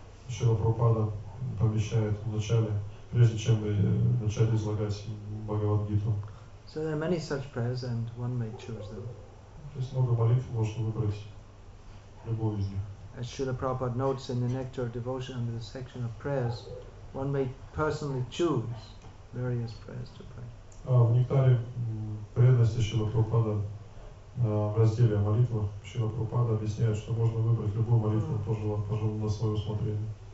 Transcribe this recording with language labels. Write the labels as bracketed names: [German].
[Russian] Шрила Прабхупада помещает в начале, прежде чем начать излагать Бхагавад-гиту. [English] So there are many such prayers and one may choose them. [Russian] То есть много молитв можно выбрать, любую из них. [English] As Srila Prabhupada notes in the Nectar of Devotion under the section of prayers, one may personally choose various prayers to pray. [Russian] А в Нектаре преданности Шрила Прабхупада в разделе молитва Шрила Прабхупада объясняет, что можно выбрать любую молитву, пожалуй, на свое усмотрение.